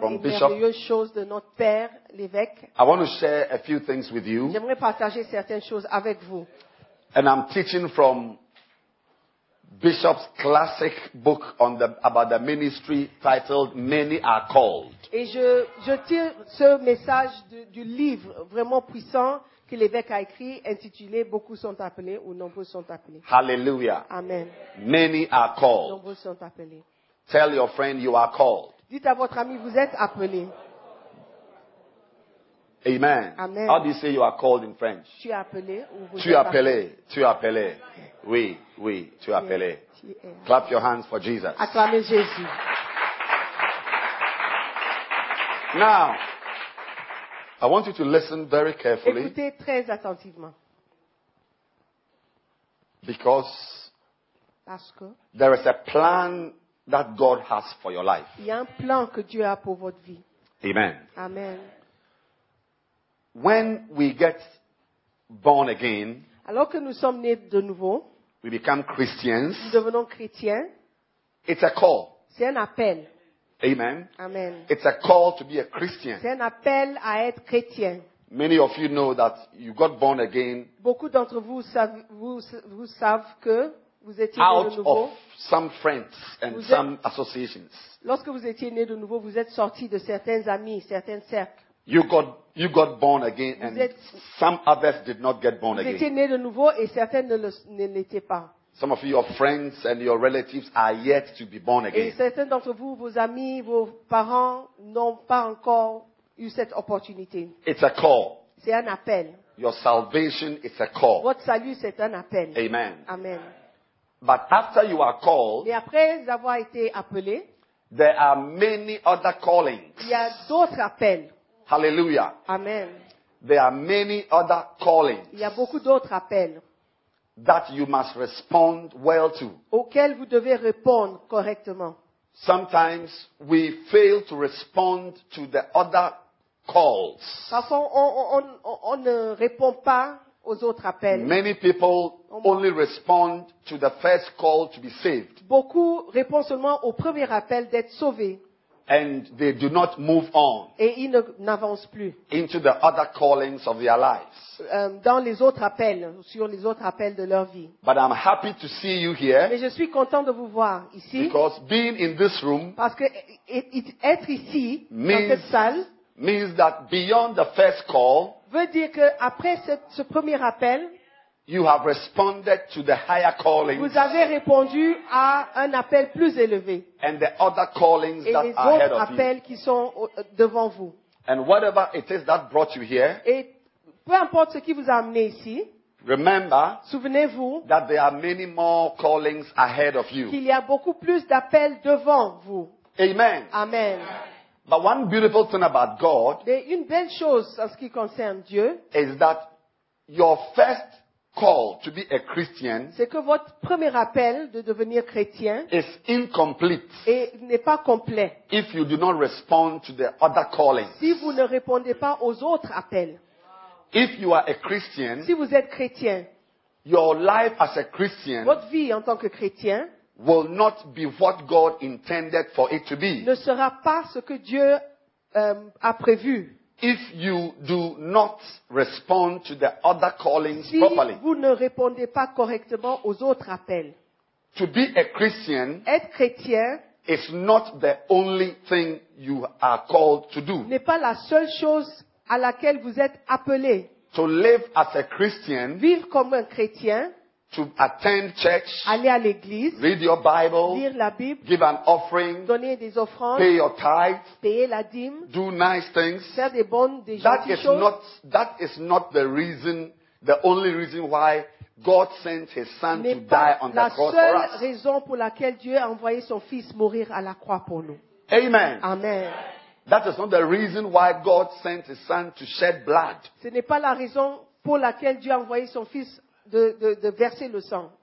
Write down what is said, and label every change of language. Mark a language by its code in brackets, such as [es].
[en] from [fr] et merveilleuses choses de notre père, l'évêque. [en] I want to share a few things with you. [fr] J'aimerais partager certaines choses avec vous. [en] And I'm teaching from Bishop's classic book on the about the ministry titled Many Are Called. [fr] Et je tire ce message du livre vraiment puissant que l'évêque a écrit intitulé Beaucoup sont appelés ou nombreux sont appelés. [en] Hallelujah. [fr] Amen. [en] Many are called. [fr] Nombreux sont appelés. [en] Tell your friend you are called. [fr] Dites à votre ami vous êtes appelé. [en] Amen. [fr] Amen. [en] How do you say you are called in French? [fr] Tu es appelé ou vous tu êtes appelé. Appelé. Tu es appelé. Oui, oui, tu es appelé. [en] Clap your hands for Jesus. [fr] Acclamez Jésus. [en] Now, I want you to listen very carefully. [fr] Écoutez très attentivement. [en] Because [fr] parce que [en] there is a plan that God has for your life. [fr] Il y a un plan que Dieu a pour votre vie. [en] Amen. [fr] Amen. [en] When we get born again, [fr] alors que nous sommes nés de nouveau, [en] we become Christians. [fr] Nous devenons chrétiens. [en] It's a call. [fr] C'est un appel. [en] Amen. [fr] Amen. [en] It's a call to be a Christian. [fr] C'est un appel à être chrétien. [en] Many of you know that you got born again. [fr] Beaucoup d'entre vous savent que vous étiez [en] out [fr] né de nouveau. [en] Of some friends and êtes, some associations. [fr] Lorsque vous étiez né de nouveau, vous êtes sorti de certains amis, certains cercles. [en] You got born again and [fr] vous êtes, [en] some others did not get born [fr] vous [en] again. [fr] Vous étiez né de nouveau et certains ne l'étaient pas. [en] Some of your friends and your relatives are yet to be born again. [fr] Et certains d'entre vous, vos amis, vos parents n'ont pas encore eu cette opportunité. [en] It's a call. [fr] C'est un appel. [en] Your salvation is a call. [fr] Votre salut c'est un appel. [en] Amen. [fr] Amen. [en] But after you are called, [fr] mais après avoir été appelé, [en] there are many other callings. [fr] Il y a d'autres appels. [en] Hallelujah. [fr] Amen. [en] There are many other callings. [fr] Il y a beaucoup d'autres appels. [en] That you must respond well to. [fr] Auquel vous devez répondre correctement. [en] Sometimes we fail to respond to the other calls. [fr] Parfois on ne répond pas aux autres appels. [en] Many people only respond to the first call to be saved. [fr] Beaucoup répondent seulement au premier appel d'être sauvé. [en] And they do not move on. [fr] Et ils ne, n'avancent plus. [en] Into the other callings of their lives. [fr] Dans les autres appels, sur les autres appels de leur vie. [en] But I'm happy to see you here. [fr] Mais je suis content de vous voir ici. [en] Because being in this room. [fr] Parce que être ici, dans cette salle. [en] Means that beyond the first call. [fr] Veut dire que après ce premier appel. [en] You have responded to the higher callings. [fr] Vous avez répondu à un appel plus élevé. [en] And the other callings [fr] et [en] that [fr] les [en] are ahead of you. [fr] Appels qui sont devant vous. [en] And whatever it is that brought you here. [fr] Et peu importe ce qui vous a amené ici. [en] Remember. [fr] Souvenez-vous. [en] That there are many more callings ahead of you. [fr] Qu'il y a beaucoup plus d'appels devant vous. [en] Amen. [fr] Amen. [en] But one beautiful thing about God. [fr] Mais une belle chose en ce qui concerne Dieu. [en] Is that your first call to be a Christian. [fr] C'est que votre premier appel de devenir chrétien [en] is incomplete. [fr] Et n'est pas complet. [en] If you do not respond to the other callings. [fr] Si vous ne répondez pas aux autres appels. [en] If you are a Christian. [fr] Si vous êtes chrétien. [en] Your life as a Christian. [fr] Votre vie en tant que chrétien. [en] Will not be what God intended for it to be. [fr] Ne sera pas ce que Dieu a prévu. [en] If you do not respond to the other callings [fr] si [en] properly. [fr] Si vous ne répondez pas correctement aux autres appels. [en] To be a Christian. [fr] Être chrétien. [en] Is not the only thing you are called to do. [fr] N'est pas la seule chose à laquelle vous êtes appelé. [en] To live as a Christian. [fr] Vivre comme un chrétien. [en] To attend church. [fr] Aller à l'église. [en] Read your Bible. [fr] Lire la Bible. [en] Give an offering. [fr] Donner des offrandes. [en] Pay your tithe. [fr] Payer la dîme. [en] Do nice things. [fr] Faire des bonnes, des gentilles choses. [en] That is not the reason, the only reason why God sent his son to die on the cross for us. [fr] N'est pas la seule raison pour laquelle Dieu a envoyé son fils mourir à la croix pour nous. [en] Amen. [fr] Amen. [en] That is not the reason why God sent his son to shed blood. [fr] Ce n'est pas la raison pour laquelle Dieu a envoyé son fils de verser le sang.